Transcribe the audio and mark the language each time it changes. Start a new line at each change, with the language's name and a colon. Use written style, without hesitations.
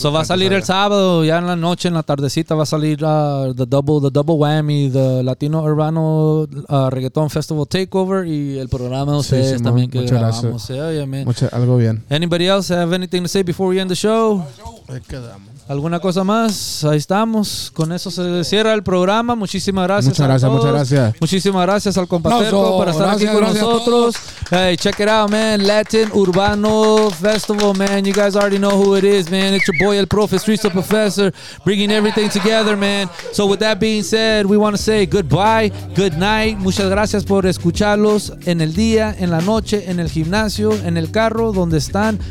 Spanish: So va a salir el sábado, ya en la noche, en la tardecita, va a salir
English: the double whammy,
Spanish: the Latino Urbano Reggaeton Festival Takeover, y el programa de ustedes también que muchas grabamos. Gracias.
English: Yeah, yeah, man.
Spanish: Algo bien.
English: Anybody else have anything to say before we end the show?
Spanish: ¿Alguna cosa más? Ahí estamos. Con eso se cierra el programa. Muchísimas gracias. Muchas gracias. Muchísimas gracias al compañero por estar aquí con nosotros.
English: Hey, check it out, man. Latin Urbano Festival, man. You guys already know who it is, man. It's your boy, el profe, Streetz the Professor, bringing everything together, man. So with that being said, we want to say goodbye, good night.
Spanish: Muchas gracias por escucharlos en el día, en la noche, en el gimnasio, en el carro, donde están.